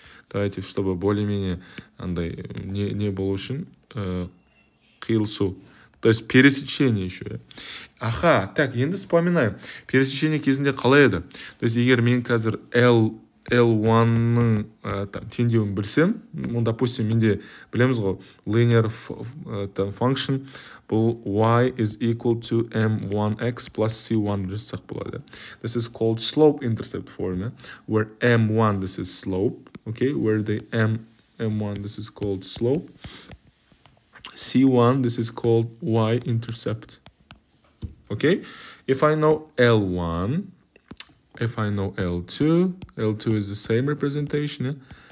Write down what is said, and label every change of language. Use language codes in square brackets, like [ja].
[ru] Давайте, чтобы более-менее [kk] андай не болу үшін, қиылысу. [ru] То есть пересечение еще. Аха, так, [kk] енді [ru] вспоминаю. [kk] Пересечение кезінде қалай еді? [ru] То есть [kk] егер мен қазір L1-ның там теңдеуін білсем, [ru] ну, допустим, [kk] менде білеміз ғой, [en] linear function, [kk] бұл [en] y is equal to m1x plus c1 [kk] жасақ болады. [en] This is called slope intercept form, where m1 this is slope, okay? Where the m1 this is called slope. C1, this is called y-intercept. Okay? If I know L2, L2 is the same representation.